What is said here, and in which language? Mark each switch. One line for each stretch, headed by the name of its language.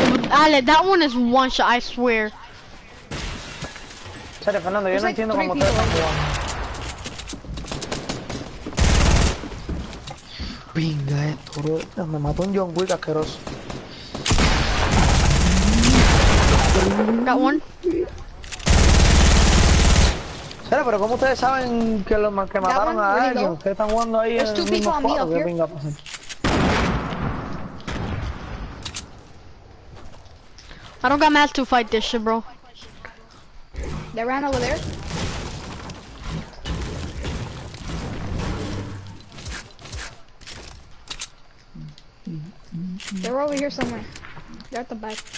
English: Ale, that one is one shot, I swear.
Spanish: Chale, Fernando, yo no entiendo cómo te están jugando. Venga, toro. Me mató un John Wick asqueroso.
English: Got one.
Spanish: Chale, pero cómo ustedes saben que los más que mataron a alguien, que están jugando ahí en el mismo cuadro, que venga a pasar.
English: I don't got mad to fight this shit, bro. They ran over there. They're over here somewhere. They're at the back.